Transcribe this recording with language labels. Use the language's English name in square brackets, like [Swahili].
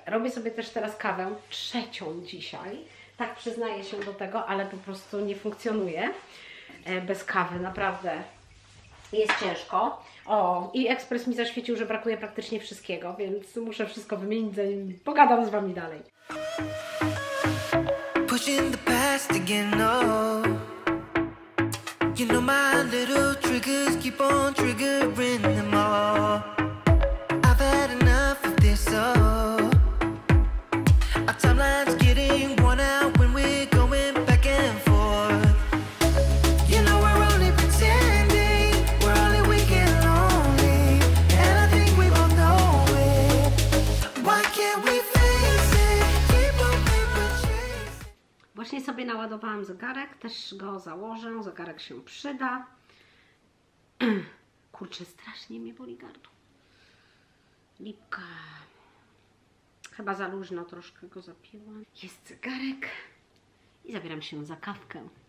[Polish] Robię sobie też teraz kawę, trzecią dzisiaj, tak przyznaję się do tego, ale po prostu nie funkcjonuje bez kawy, naprawdę jest ciężko. O, i ekspres mi zaświecił, że brakuje praktycznie wszystkiego, więc muszę wszystko wymienić, zanim pogadam z Wami dalej. [English] Pushing the past again, oh. You know my little triggers keep on triggering them all. I've had enough of this, oh. Our timeline's getting worn out when we're going back and forth. You know we're only pretending, we're only weak and lonely, and I think we both know it. Why can't we face it? Keep on paper chasing. [Polish] Właśnie sobie naładowałam zegarek, też go założę, zegarek się przyda. Kurczę, strasznie mnie boli gardło. Lipka. Chyba za luźno troszkę go zapiłam. Jest zegarek i zabieram się za kawkę.